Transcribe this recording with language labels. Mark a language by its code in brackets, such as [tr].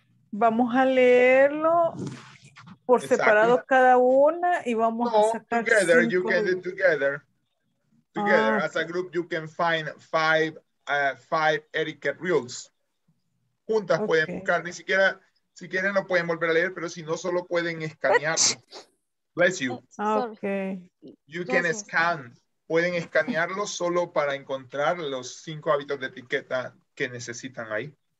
[es] Vamos a leerlo por separado cada una y vamos a sacar [en] together, [es] cinco. [en] You can do together. Together, as a group, you can find five etiquette rules. [es] Juntas pueden buscar. Ni siquiera, si quieren, lo pueden volver a leer, pero si no, solo pueden escanearlo. [en] Bless you. Okay. You can scan. [es] Pueden escanearlo solo para encontrar los cinco hábitos de etiqueta que necesitan ahí.